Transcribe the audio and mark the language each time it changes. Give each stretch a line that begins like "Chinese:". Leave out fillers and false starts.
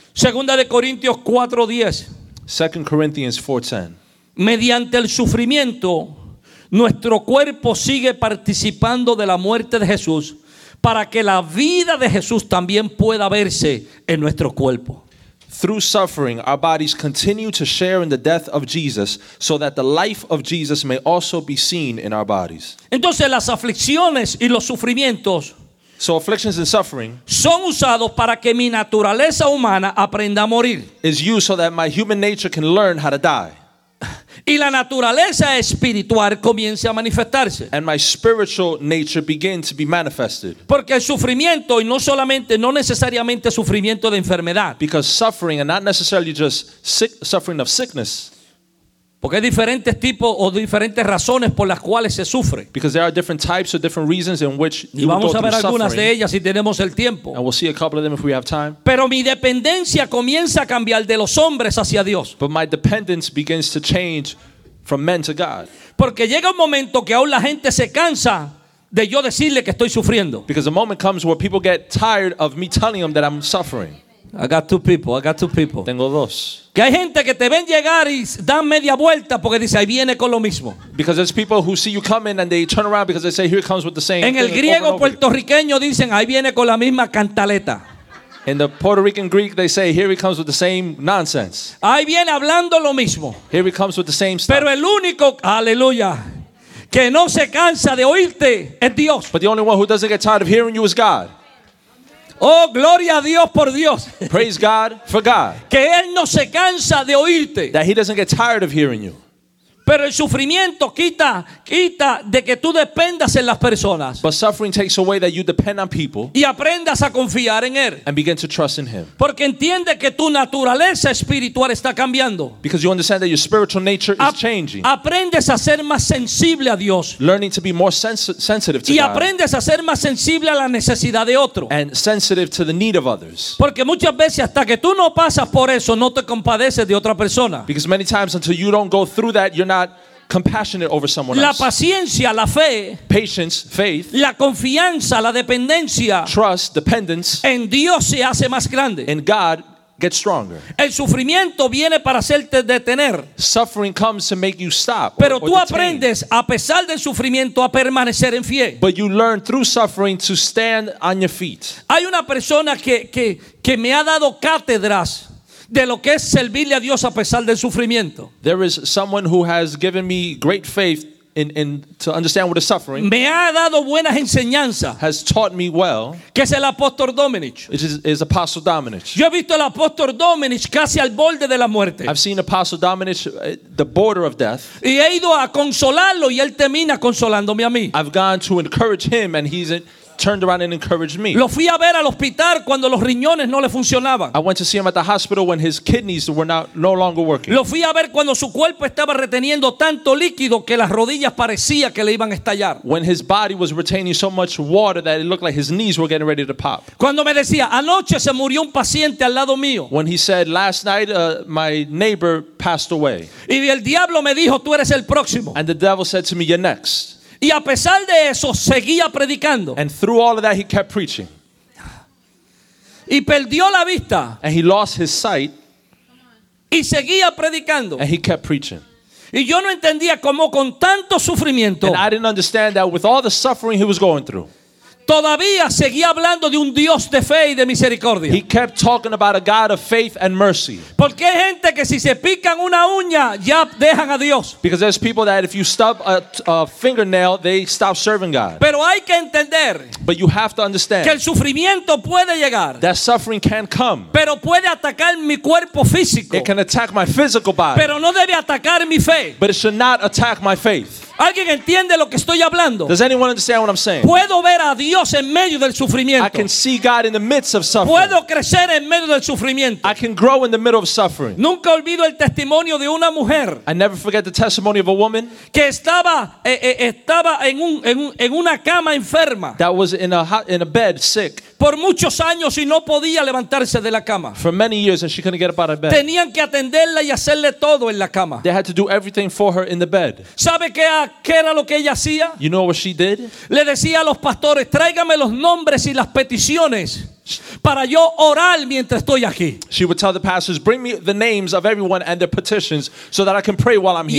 Spanish: Segunda de Corintios 4:10.
English: 2 Corinthians 4:10.
Spanish: Mediante el sufrimiento, nuestro cuerpo sigue participando de la muerte de Jesús para que la vida de Jesús también pueda verse en nuestro cuerpo.
English: Through suffering, our bodies continue to share in the death of Jesus so that the life of Jesus may also be seen in our bodies.
Spanish: Entonces, las aflicciones y los sufrimientos
English: so afflictions and suffering
Spanish: son usados para que mi naturaleza humana aprenda a morir.
English: Is used so that my human nature can learn how to die.
Spanish: Y la naturaleza espiritual comienza a manifestarse.
English: And my spiritual nature begins to be manifested.
Spanish: Porque el sufrimiento, y no solamente, no necesariamente sufrimiento de enfermedad.
English: Because suffering, and not necessarily just sick, suffering of sickness.
Spanish: Porque hay diferentes tipos o diferentes razones por las cuales se sufre.
English: Because there are different types or different reasons in which
Spanish: y vamos a ver algunas de ellas si tenemos el tiempo.
English: And we'll see a couple of them if we have time.
Spanish: Pero mi dependencia comienza a cambiar de los hombres hacia Dios.
English: But my dependence begins to change from men to God.
Spanish: Porque llega un momento que aún la gente se cansa de yo decirle que estoy sufriendo.
English: Because a moment comes where people get tired of me telling them that I'm suffering. I got two people.
Spanish: Tengo dos. Que hay gente que te ven llegar y dan media vuelta porque dice ahí viene con lo mismo.
English: Because there's people who see you coming and they turn around because they say here comes with the same thing.
Spanish: En el griego puertorriqueño dicen ahí viene con la misma cantaleta.
English: In the Puerto Rican Greek they say here he comes with the same nonsense.
Spanish: Ahí viene hablando lo mismo.
English: Here he comes with the same stuff.
Spanish: Pero el único, aleluya, que no se cansa de oírte es Dios.
English: But the only one who doesn't get tired of hearing you is God.
Spanish: Oh, gloria a Dios por Dios.
English: Praise God for God.
Spanish: Que Él no se cansa de oírte.
English: That He doesn't get tired of hearing you.
Spanish: Pero el sufrimiento quita de que tú dependas en las personas.
English: But suffering takes away that you depend on people.
Spanish: Y aprendas a confiar en Él.
English: And begin to trust in Him.
Spanish: Porque entiende que tu naturaleza espiritual está cambiando.
English: Because you understand that your spiritual nature is changing.
Spanish: Aprendes a ser más sensible a Dios.
English: Learning to be more sensitive to
Spanish: God. Y aprendes a ser más sensible a la necesidad de otro.
English: And sensitive to the need of others.
Spanish: Porque muchas veces hasta que tú no pasas por eso, no te compadeces de otra persona.
English: Because many times until you don't go through that, you're not compassionate over someone else.
Spanish: La paciencia, la fe.
English: Patience, faith.
Spanish: La confianza, la dependencia.
English: Trust, dependence.
Spanish: En Dios se hace más grande.
English: In God, get stronger.
Spanish: El sufrimiento viene para hacerte detener.
English: Suffering comes to make you stop. Pero or tú detain.
Spanish: Aprendes a pesar del sufrimiento a permanecer en pie.
English: But you learn through suffering to stand on your feet.
Spanish: Hay una persona que me ha dado cátedras de lo que es servirle a Dios a pesar del sufrimiento.
English: There is someone who has given me great faith in to understand what is suffering.
Spanish: Me ha dado buenas enseñanzas.
English: Has taught me well.
Spanish: Que es el apóstol Dominic.
English: Is Apostle Dominic.
Spanish: Yo he visto al apóstol Dominic casi al borde de la muerte.
English: I've seen Apostle Dominic at the border of death.
Spanish: Y he ido a consolarlo y él termina consolándome a mí.
English: I've gone to encourage him and he's turned around and encouraged me.
Spanish: Lo fui a ver al hospital cuando los riñones no le funcionaban.
English: I went to see him at the hospital when his kidneys were no longer working.
Spanish: Lo fui a ver cuando su cuerpo estaba reteniendo tanto líquido que las rodillas parecía que le iban a estallar.
English: When his body was retaining so much water that it looked like his knees were getting ready to pop.
Spanish: Cuando me decía, anoche se murió un paciente al lado mío.
English: When he said, last night my neighbor passed away.
Spanish: Y el diablo me dijo, tú eres el próximo.
English: And the devil said to me, you're next.
Spanish: Y a pesar de eso, seguía predicando.
English: And through all of that, he kept preaching.
Spanish: Y perdió la vista.
English: And he lost his sight.
Spanish: Y seguía predicando.
English: And he kept preaching.
Spanish: Y yo no entendía cómo con tanto sufrimiento.
English: And I didn't understand that with all the suffering he was going through.
Spanish: Todavía seguía hablando de un Dios de fe y de misericordia.
English: He kept talking about a God of faith and mercy.
Spanish: Porque hay gente que si se pican una uña ya dejan a Dios.
English: Because there's people that if you stub a fingernail, they stop serving God.
Spanish: Pero hay que entender.
English: But you have to understand.
Spanish: Que el sufrimiento puede llegar.
English: That suffering can come.
Spanish: Pero puede atacar mi cuerpo físico.
English: It can attack my physical body.
Spanish: Pero no debe atacar mi fe.
English: But it should not attack my faith.
Spanish: ¿Alguien entiende lo que estoy hablando?
English: Does anyone understand what I'm saying?
Spanish: Puedo ver a Dios en medio del sufrimiento.
English: I can see God in the midst of suffering.
Spanish: Puedo crecer en medio del sufrimiento.
English: I can grow in the middle of suffering.
Spanish: Nunca olvido el testimonio de una mujer.
English: I never forget the testimony of a woman.
Spanish: Que estaba en una cama enferma.
English: That was in a bed sick.
Spanish: Por muchos años y no podía levantarse de la cama.
English: For many years and she couldn't get up out of bed.
Spanish: Tenían que atenderla y hacerle todo en la cama.
English: They had to do everything for her in the bed.
Spanish: ¿Sabe qué era lo que ella hacía?
English: You know what she did?
Spanish: Le decía a los pastores, tráigame los nombres y las peticiones para yo orar mientras estoy aquí.
English: She would tell the pastors, bring me the names of everyone and their petitions so that I can pray while I'm here.